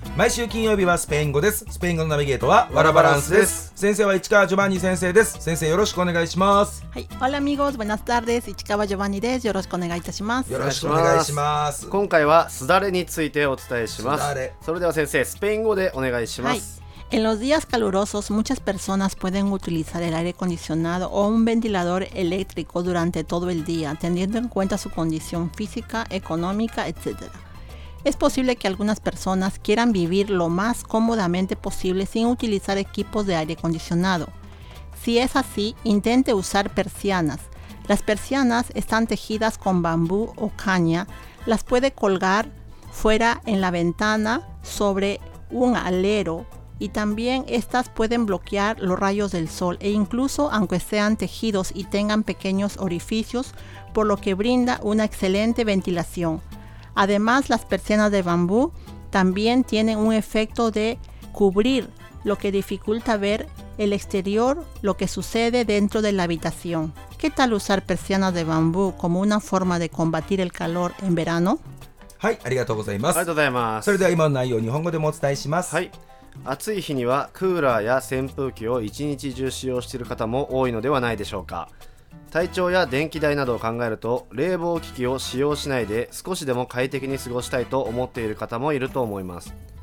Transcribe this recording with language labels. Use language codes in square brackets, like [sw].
[ja] 毎週金曜日はスペイン語です。スペイン語のナビゲートはワラバランスです。先生は市川ジョバンニ先生です。先生よろしくお願いします。はい、 [es] オラミゴーズバナスタール [ja] です。市川ジョバンニです。よろしくお願いいたします。よろしくお願いします。今回はすだれについてお伝えします。すだれ、それでは先生スペイン語でお願いします。はい、 [es] En los días calurosos, muchas personas pueden utilizar el aire acondicionado o un ventilador eléctrico durante todo el día, teniendo en cuenta su condición física, económica, etc. Es posible que algunas personas quieran vivir lo más cómodamente posible sin utilizar equipos de aire acondicionado. Si es así, intente usar persianas. Las persianas están tejidas con bambú o caña. Las puede colgar fuera en la ventana sobre un alero. Y también estas pueden bloquear los rayos del sol e incluso aunque sean tejidos y tengan pequeños orificios, por lo que brinda una excelente ventilación. Además, las persianas de bambú también tienen un efecto de cubrir, lo que dificulta ver el exterior, lo que sucede dentro de la habitación. ¿Qué tal usar persianas de bambú como una forma de combatir el calor en verano? [ja] はい、ありがとうございます。ありがとうございます。それでは今の内容を日本語でもお伝えします。はい。暑い日にはクーラーや扇風機を一日中使用している方も多いのではないでしょうか。体調や電気代などを考えると冷房機器を使用しないで少しでも快適に過ごしたいと思っている方もいると思います。